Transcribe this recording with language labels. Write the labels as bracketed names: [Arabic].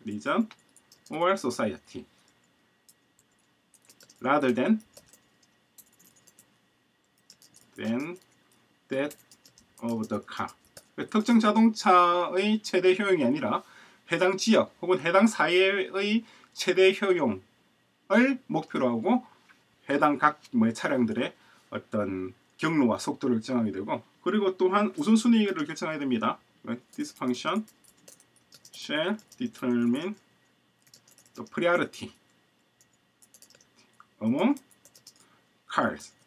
[English] region or society rather than that of the car. [Korean] 특정 자동차의 최대 효용이 아니라 해당 지역 혹은 해당 사회의 최대 효용을 목표로 하고 해당 각 뭐 차량들의 어떤 경로와 속도를 정하게 되고, 그리고 또한 우선순위를 결정하게 됩니다. [English] This function shall determine the priority among cars.